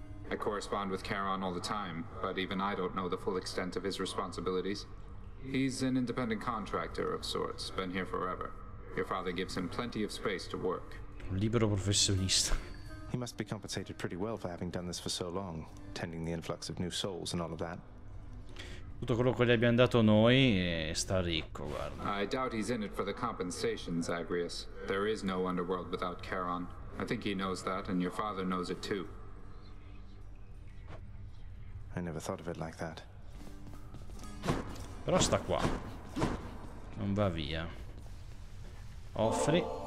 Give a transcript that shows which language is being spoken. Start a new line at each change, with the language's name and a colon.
English: I correspond with Charon all the time, but even I don't know the full extent of his responsibilities. He's an independent contractor of sorts, been here forever. Your father gives him plenty of space to work.
Italian: Libero professionista.
English: He must be compensated pretty well for having done this for so long, tending the influx of new souls and all of that.
Italian: Tutto quello che gli abbiamo dato noi sta ricco, guarda.
English: I doubt he's in it for the compensation, Zagreus. There is no underworld without Charon. I think he knows that, and your father knows it too. I never thought of it like that.
Italian: Però sta qua. Non va via. Offri.